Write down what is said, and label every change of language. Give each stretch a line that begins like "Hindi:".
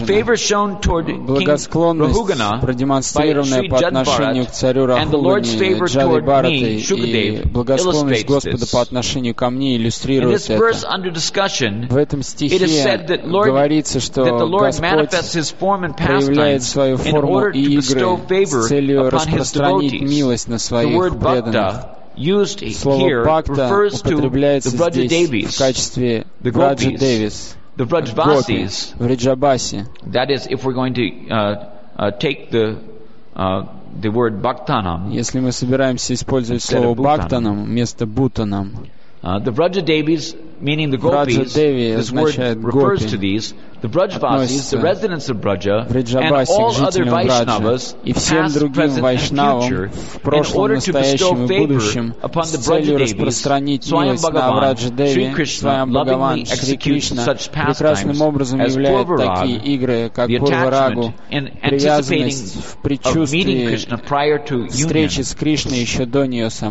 English: The favor shown toward King Rahugana by Sri Jadbharata and the Lord's favor toward me, Shukadev, illustrates this. In this verse under discussion, it is said that the Lord manifests his form and pastimes in order to bestow favor upon his devotees. The word bhakta used here refers to the Vrajadevis, the gopis, the Vrajvasis. That is, if we're going to take the word bhaktanam,
Russian: если мы собираемся использовать слово бхактанам вместо бутанам,
English: the Vrajadevis, meaning the gopis, this word refers to these. The Vrajvasis, the residents of Vraja, and all other Vaishnavas, past, present, and future, in order to bestow favor upon the Vrajadevis, Swayam Bhagavan, Sri Krishna, lovingly executes such pastimes as Purvaraga, the attachment in anticipating of meeting Krishna prior to union.